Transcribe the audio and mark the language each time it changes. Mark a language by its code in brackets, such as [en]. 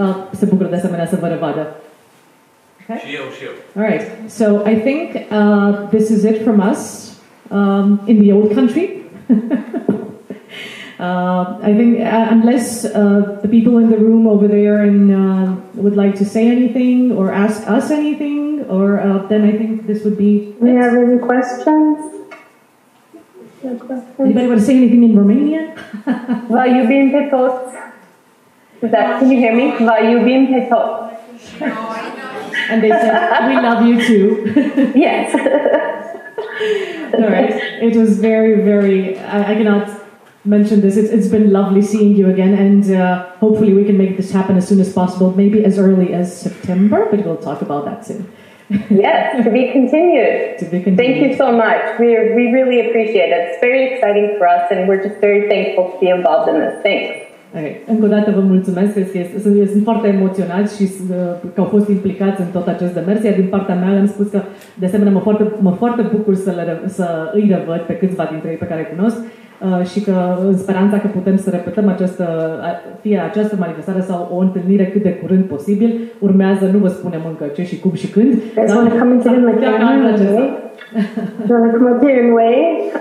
[ro] Se bucură de asemenea să vă revadă. Și eu, și eu. [en] All right. So I think this is it from us in the old country. I think unless the people in the room over there would like to say anything or ask us anything, then I think this would be it. Do we have any questions? Anybody want to say anything in Romanian? [ro] Va iubim pe toți. [en] Can you hear me? [ro] Va iubim pe toți. [en] And they said, we love you too. Yes. All right. It was very, very, I cannot mention this. It's been lovely seeing you again, and hopefully we can make this happen as soon as possible, maybe as early as September, but we'll talk about that soon. Yes, to be continued. Thank you so much. We really appreciate it. It's very exciting for us, and we're just very thankful to be involved in this. Thanks. Okay. [ro] Încă o dată vă mulțumesc, sunt foarte emoționat și că au fost implicați în tot acest demers, iar din partea mea le-am spus că, de asemenea, mă foarte bucur să îi revăd pe câțiva dintre ei pe care îi cunosc. și că în speranța că putem să repetăm această, fie această manifestare sau o întâlnire cât de curând posibil, urmează, nu vă spunem încă ce și cum și când. [en] Just want to come into the camera. Just want to come up here and wave.